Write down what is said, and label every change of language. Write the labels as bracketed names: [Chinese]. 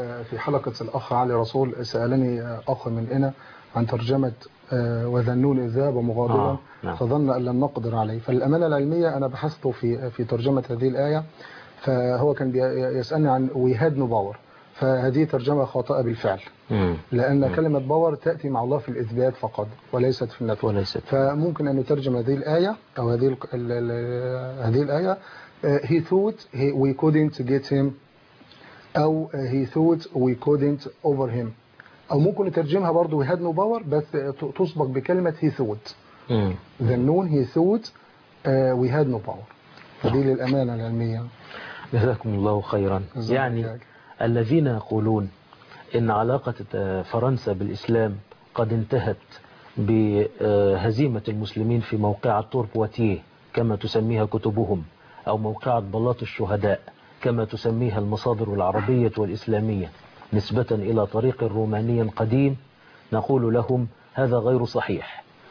[Arabic] في حلقة الأخ علي رسول سألني أخ من هنا عن ترجمة وذنون إذ ذاب مغاضبا فظن أن لم نقدر عليه. فالأمانة العلمية أنا بحثت في ترجمة هذه الآية، فهو كان يسألني عن ويهاد نباور، فهذه ترجمة خاطئة بالفعل، لأن كلمة باور تأتي مع الله في الإثبات فقط وليست في النفي. وليست. فممكن أن يترجم هذه الآية أو هذه الآية [English] he thought we couldn't get him [Arabic] أو [English] he thought we couldn't over him، [Arabic] أو ممكن يترجمها برضو [English] we had no power [Arabic] بس تسبق بكلمة [English] he thought [Arabic] ذنون [English] he thought we had no power. [Arabic] هذه للأمانة العلمية. جزاكم الله خيرا. يعني الذين يقولون إن علاقة فرنسا بالإسلام قد انتهت بهزيمة المسلمين في موقعة تور بواتيه كما تسميها كتبهم، أو موقعة بلاط الشهداء كما تسميها المصادر العربية والإسلامية نسبة إلى طريق روماني قديم، نقول لهم هذا غير صحيح.